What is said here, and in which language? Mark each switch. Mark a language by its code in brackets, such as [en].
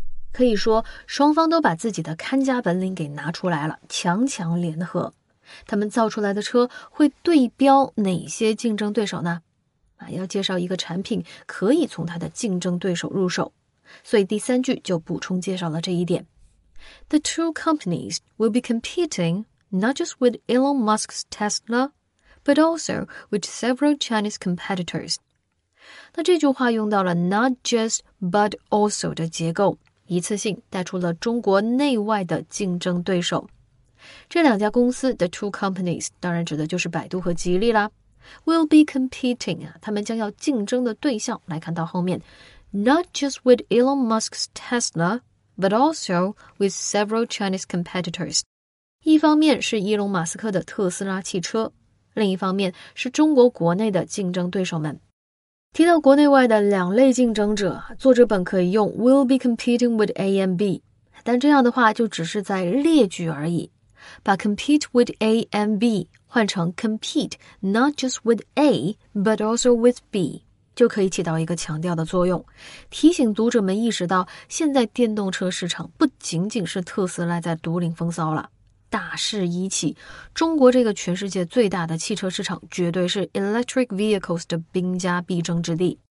[zh] 可以说双方都把自己的看家本领给拿出来了，强强联合。他们造出来的车会对标哪些竞争对手呢？要介绍一个产品可以从它的竞争对手入手，所以第三句就补充介绍了这一点。 [en] The two companies will be competing not just with Elon Musk's Tesla, but also with several Chinese competitors. [zh] 那这句话用到了 [en] not just but also [zh] 的结构，一次性带出了中国内外的竞争对手。这两家公司 [en] The two companies [zh] 当然指的就是百度和吉利啦。 [en] Will be competing [zh] 啊，他们将要竞争的对象，来看到后面 [en] not just with Elon Musk's Tesla,but also with several Chinese competitors. [zh] 一方面是伊隆马斯克的特斯拉汽车，另一方面是中国国内的竞争对手们。提到国内外的两类竞争者，作者本可以用 [en] will be competing with A and B， [zh] 但这样的话就只是在列举而已。把 [en] compete with A and B [zh] 换成 [en] compete not just with A, but also with B. [zh] 就可以起到一个强调的作用，提醒读者们意识到现在电动车市场不仅仅是特斯拉在独领风骚了，大势已起，中国这个全世界最大的汽车市场绝对是 [en] electric vehicles [zh] 的兵家必争之地。